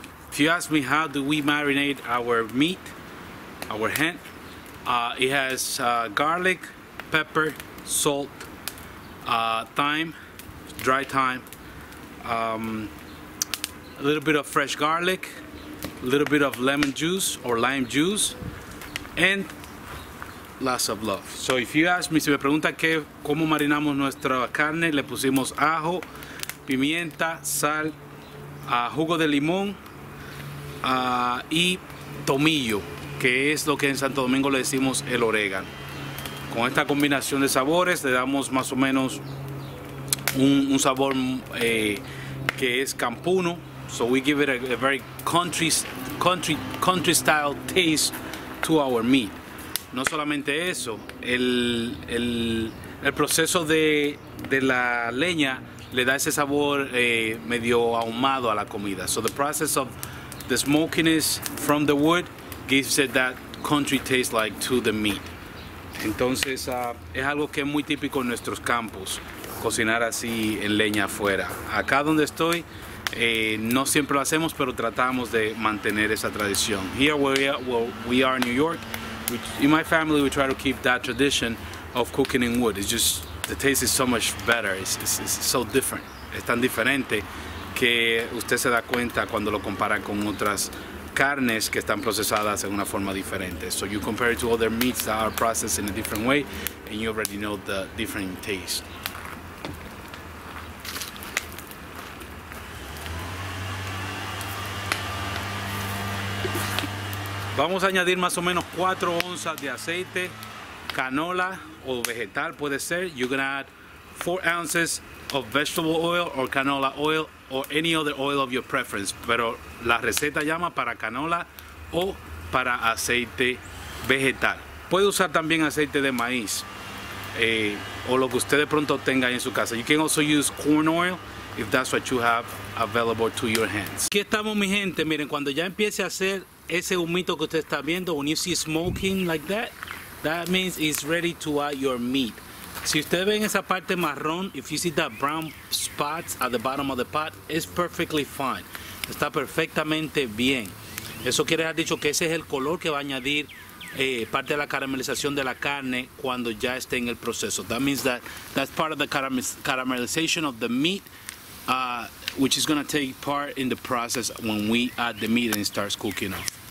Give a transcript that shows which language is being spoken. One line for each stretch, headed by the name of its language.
English: If you ask me how do we marinate our meat, our hen, it has garlic, pepper, salt, thyme, dry thyme, a little bit of fresh garlic, little bit of lemon juice or lime juice, and lots of love. So if you ask me,
Spanish: si me pregunta que cómo marinamos nuestra carne, le pusimos ajo, pimienta, sal, jugo de limón, y tomillo, que es lo que en Santo Domingo le decimos el orégano. Con esta combinación de sabores le damos más o menos un sabor que es campuno.
English: So we give it a very country style taste to our meat.
Spanish: No solamente eso, el proceso de la leña le da ese sabor medio ahumado a la comida.
English: So the process of the smokiness from the wood gives it that country taste like to the meat.
Spanish: Entonces es algo que es muy típico en nuestros campos, cocinar así en leña afuera. Acá donde estoy, no siempre lo hacemos, pero tratamos de mantener esa tradición.
English: Here we are in New York. In my family, we try to keep that tradition of cooking in wood. It's just, the taste is so much better. It's so different.
Spanish: Es tan diferente que usted se da cuenta cuando lo compara con otras carnes que están procesadas en una forma diferente.
English: So you compare it to other meats that are processed in a different way, and you already know the different taste.
Spanish: Vamos a añadir más o menos 4 onzas de aceite, canola o vegetal puede ser.
English: You're gonna add 4 ounces of vegetable oil or canola oil or any other oil of your preference.
Spanish: Pero la receta llama para canola o para aceite vegetal. Puede usar también aceite de maíz o lo que usted de pronto tenga en su casa.
English: You can also use corn oil if that's what you have available to your hands.
Spanish: Aquí estamos, mi gente. Miren, cuando ya empiece a hacer ese humito que usted está viendo,
English: when you see smoking like that, that means it's ready to add your meat.
Spanish: Si usted ve en esa parte marrón,
English: if you see that brown spots at the bottom of the pot, it's perfectly fine.
Spanish: Está perfectamente bien. Eso quiere haber dicho que ese es el color que va a añadir parte de la caramelización de la carne cuando ya esté en el proceso.
English: That means that that's part of the caramelization of the meat, which is going to take part in the process when we add the meat and it starts cooking up.